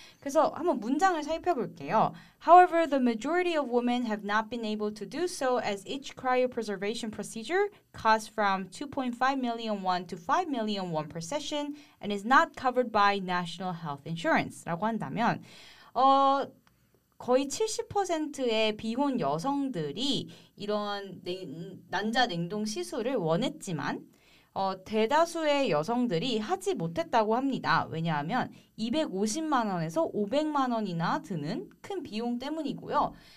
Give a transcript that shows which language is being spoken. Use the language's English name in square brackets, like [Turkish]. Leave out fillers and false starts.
[Korean] 그래서 한번 문장을 살펴볼게요. [English] However, the majority of women have not been able to do so as each cryopreservation procedure costs from 2.5 million won to 5 million won per session and is not covered by national health insurance. [Korean] 라고 한다면 거의 70%의 비혼 여성들이 이런 난자 냉동 시술을 원했지만 대다수의 여성들이 하지 못했다고 합니다. 왜냐하면 250만 원에서 500만 원이나 드는 큰 비용 때문이고요.